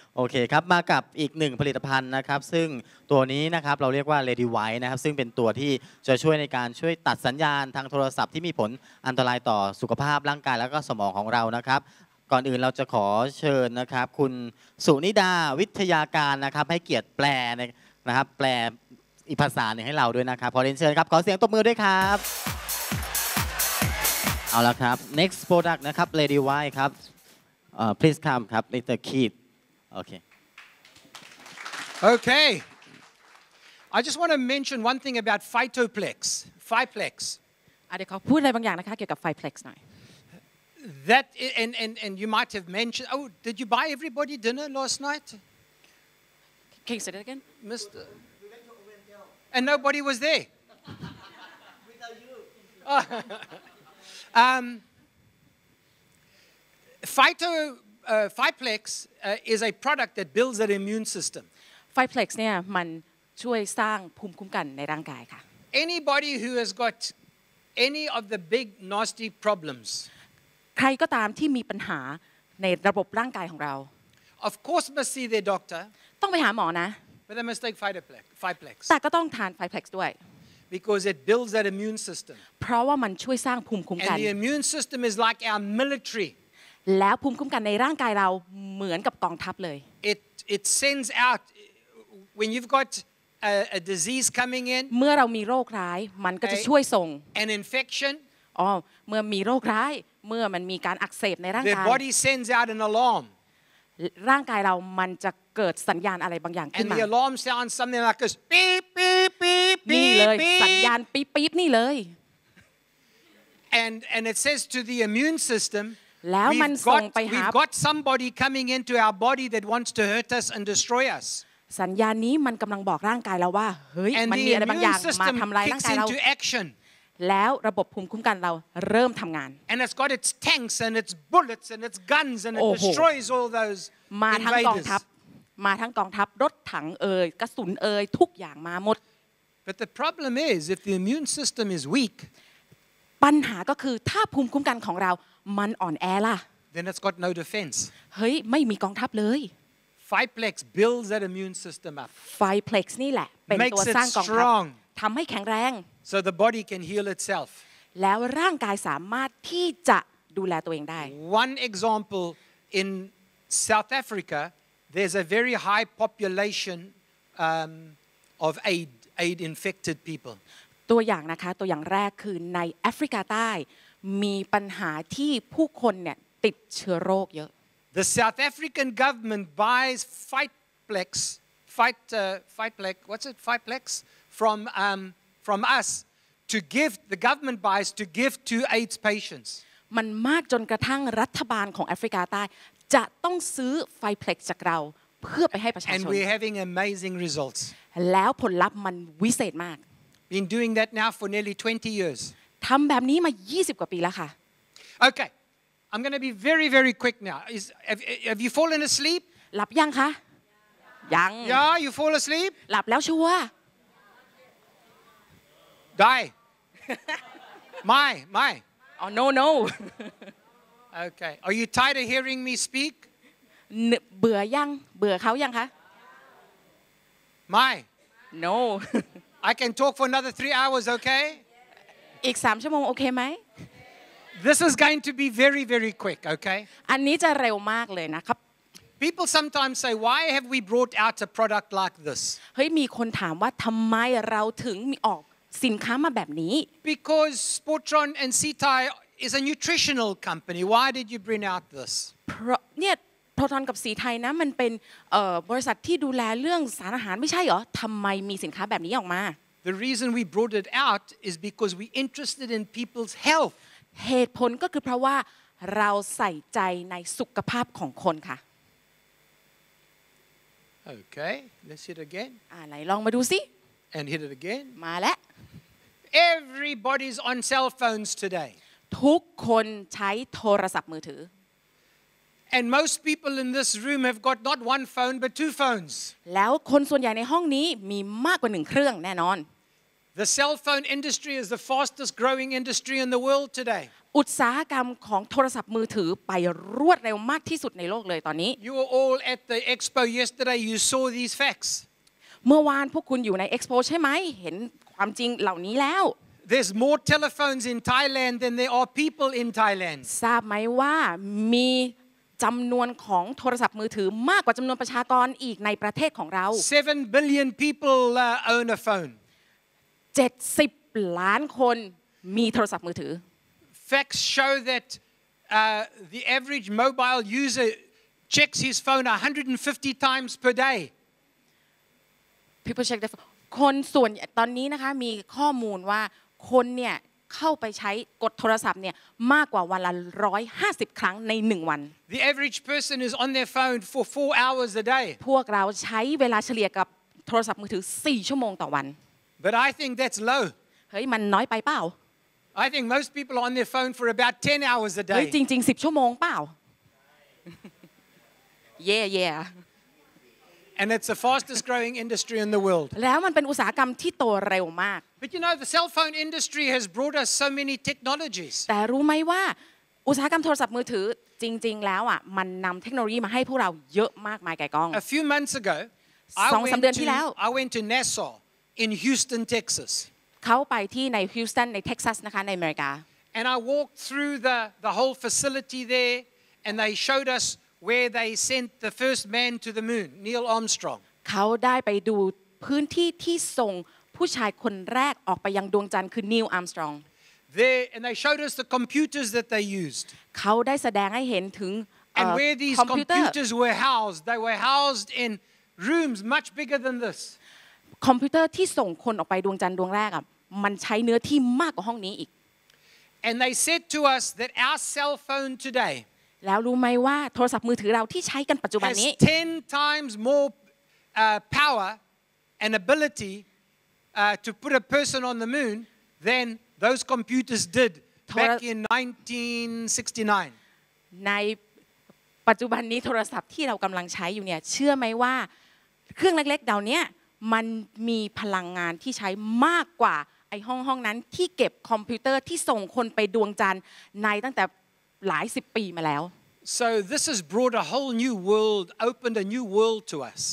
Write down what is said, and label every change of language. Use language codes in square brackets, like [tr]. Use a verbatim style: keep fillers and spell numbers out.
[th] โอเคครับมากับอีกหนึ่งผลิตภัณฑ์นะครับซึ่งตัวนี้นะครับเราเรียกว่า Lady White นะครับซึ่งเป็นตัวที่จะช่วยในการช่วยตัดสัญญาณทางโทรศัพท์ที่มีผลอันตรายต่อสุขภาพร่างกายแล้วก็สมองของเรานะครับก่อนอื่นเราจะขอเชิญนะครับคุณสุนิดาวิทยาการนะครับให้เกียรติแปลนะครับแปล อีกภาษาหนึ่งให้เราด้วยนะครับขอเรียนเชิญครับขอเสียงตบมือด้วยครับเอาละครับ [en] next product [th] นะครับ Lady White ครับเอ่อ [en] please come [th] ครับ [en] Mister Keith Okay. Okay. I just want to mention one thing about Phytoplex. Phyplex. [th] เดี๋ยวเขาพูดอะไรบางอย่างนะคะเกี่ยวกับ Phyplex หน่อย [en] That and and and you might have mentioned. Oh, did you buy everybody dinner last night? Can you say that again? Mister We went to Oriental. And nobody was there. Without you. um. Phyto. Uh, Phyplex uh, is a product that builds an immune system. [th] Phyplex เนี่ยมันช่วยสร้างภูมิคุ้มกันในร่างกายค่ะ [en] Anybody who has got any of the big nasty problems. [th] ใครก็ตามที่มีปัญหาในระบบร่างกายของเรา [en] Of course must see their doctor. [th] ต้องไปหาหมอนะ [en] But they must take Phytoplex. Phyplex. [th] แต่ก็ต้องทาน Phyplex ด้วย [en] Because it builds that immune system. [th] เพราะว่ามันช่วยสร้างภูมิคุ้มกัน [en] And the immune system is like our military. [th] แล้วภูมิคุ้มกันในร่างกายเราเหมือนกับกองทัพเลย [en] It it sends out when you've got a, a disease coming in [th] เมื่อเรามีโรคร้ายมันก็จะช่วยส่ง [en] An infection [th] อ๋อเมื่อมีโรคร้ายเมื่อมันมีการอักเสบในร่างกาย [en] The body sends out an alarm [th] ร่างกายเรามันจะเกิดสัญญาณอะไรบางอย่างขึ้นมา [en] And the alarm sounds something like this beep beep beep [th] นี่เลยสัญญาณปี๊บปี๊บนี่เลย [en] And and it says to the immune system [th] แล้วมันส่งไปหา [en] We've got somebody coming into our body that wants to hurt us and destroy us [th] สัญญาณนี้มันกำลังบอกร่างกายเราว่าเฮ้ยมันมีอะไรบางอย่างมาทำลายร่างกายเราแล้วระบบภูมิคุ้มกันเราเริ่มทำงาน [en] And it's got its tanks and its bullets and its guns and it destroys all those [th] มาทั้งกองทัพมาทั้งกองทัพรถถังเอ่ยกระสุนเอ่ยทุกอย่างมาหมด [en] But the problem is if the immune system is weak [th] ปัญหาก็คือถ้าภูมิคุ้มกันของเรามันอ่อนแอล่ะ [en] Then it's got no defense [th] เฮ้ยไม่มีกองทัพเลย [en] Phyplex builds that immune system up [th] Phyplex นี่แหละเป็นตัวสร้างกองทัพทำให้แข็งแรง [en] So the body can heal itself [th] แล้วร่างกายสามารถที่จะดูแลตัวเองได้ [en] One example in South Africa there's a very high population um, of AIDS AIDS infected people [th] ตัวอย่างนะคะตัวอย่างแรกคือในแอฟริกาใต้มีปัญหาที่ผู้คนเนี่ยติดเชื้อโรคเยอะ [en] The South African government buys Phyplex fight uh, Phyplex what's it Phyplex from um from us to give the government buys to give to AIDS patients [th] มันมากจนกระทั่งรัฐบาลของแอฟริกาใต้จะต้องซื้อ Phyplex จากเราเพื่อไปให้ประชาชน [en] And we're having amazing results [th] แล้วผลลัพธ์มันวิเศษมาก [en] Been doing that now for nearly twenty years [th] ทำแบบนี้มายี่สิบกว่าปีแล้วค่ะ [en] Okay. I'm going to be very very quick now. Is have, have you fallen asleep? [th] หลับยังคะยัง [en] Yeah, you fall asleep? [th] หลับแล้วชัวร์ [en] Die. My, my. Oh no no. Okay. Are you tired of hearing me speak? [th] เบื่อยังเบื่อเขายังคะ [en] My. No. I can talk for another three hours, okay? [th] อีกสามชั่วโมงโอเคไหม [en] This is going to be very very quick okay [th] อันนี้จะเร็วมากเลยนะครับ [en] People sometimes say why have we brought out a product like this [th] เฮ้ยมีคนถามว่าทำไมเราถึงมีออกสินค้ามาแบบนี้ [en] Because Sportron and Citai is a nutritional company why did you bring out this [th] เพราะเนี่ยโปรทอนกับสีไทยนะมันเป็นเอ่อบริษัทที่ดูแลเรื่องสารอาหารไม่ใช่เหรอทำไมมีสินค้าแบบนี้ออกมา [en] The reason we brought it out is because we interested in people's health. [th] เหตุผลก็คือเพราะว่าเราใส่ใจในสุขภาพของคนค่ะ [en] Okay, let's hit again. [th] อ่ะไหนลองมาดูสิ [en] And hit it again. [th] มาแล้ว [en] Everybody's on cell phones today. [th] ทุกคนใช้โทรศัพท์มือถือ [en] And most people in this room have got not one phone but two phones. [th] แล้วคนส่วนใหญ่ในห้องนี้มีมากกว่าหนึ่งเครื่องแน่นอน [en] The cell phone industry is the fastest growing industry in the world today. [th] อุตสาหกรรมของโทรศัพท์มือถือไปรวดเร็วมากที่สุดในโลกเลยตอนนี้ [en] You were all at the expo yesterday. You saw these facts. [th] เมื่อวานพวกคุณอยู่ใน Expo ใช่ไหมเห็นความจริงเหล่านี้แล้ว [en] There's more telephones in Thailand than there are people in Thailand. [th] ทราบไหมว่ามีจำนวนของโทรศัพท์มือถือมากกว่าจำนวนประชากรอีกในประเทศของเรา [en] seven billion people uh, own a phone. [th] เจ็ดสิบล้านคนมีโทรศัพท์มือถือ [en] Facts show that uh, the average mobile user checks his phone one hundred fifty times per day. People check their phone. [th] คนส่วนตอนนี้นะคะมีข้อมูลว่าคนเนี่ยเข้าไปใช้กดโทรศัพท์เนี่ยมากกว่าวันละหนึ่งร้อยห้าสิบครั้งในหนึ่งวัน [en] The average person is on their phone for four hours a day. [th] พวกเราใช้เวลาเฉลี่ยกับโทรศัพท์มือถือสี่ชั่วโมงต่อวัน [en] But I think that's low. [th] เฮ้ยมันน้อยไปเปล่า [en] I think most people are on their phone for about ten hours a day. [th] เฮ้ยจริงๆสิบชั่วโมงเปล่า [en] Yeah yeah. And it's the fastest growing industry in the world. [th] แล้วมันเป็นอุตสาหกรรมที่โตเร็วมาก [en] But you know the cell phone industry has brought us so many technologies. [th] แต่รู้ไหมว่าอุตสาหกรรมโทรศัพท์มือถือจริงๆแล้วอ่ะมันนำเทคโนโลยีมาให้พวกเราเยอะมากมายไกลกอง [en] A few months ago, I [th] สองสาม เดือนที่แล้ว [en] I went to NASA in Houston, Texas. [th] เขาไปที่ในฮิวสตันในเท็กซัสนะคะในอเมริกา [en] And I walked through the the whole facility there and they showed us where they sent the first man to the moon Neil Armstrong [th] เขาได้ไปดูพื้นที่ที่ส่งผู้ชายคนแรกออกไปยังดวงจันทร์คือ Neil Armstrong [en] There and they showed us the computers that they used [th] เขาได้แสดงให้เห็นถึง [en] And where these computers were housed they were housed in rooms much bigger than this [th] คอมพิวเตอร์ที่ส่งคนออกไปดวงจันทร์ดวงแรกอ่ะมันใช้เนื้อที่มากกว่าห้องนี้อีก [en] And they said to us that our cell phone today [th] แล้วรู้ไหมว่าโทรศัพท์มือถือเราที่ใช้กันปัจจุบันนี้ [en] has ten times more uh, power and ability uh, to put a person on the moon than those computers did back in nineteen sixty-nine [th] ในปัจจุบันนี้โทรศัพท์ที่เรากำลังใช้อยู่เนี่ยเชื่อไหมว่าเครื่องเล็กๆเหล่านี้มันมีพลังงานที่ใช้มากกว่าไอ้ห้องห้องนั้นที่เก็บคอมพิวเตอร์ที่ส่งคนไปดวงจันทร์ในตั้งแต่หลายสิบปีมาแล้ว [en] So this has brought a whole new world, opened a new world to us.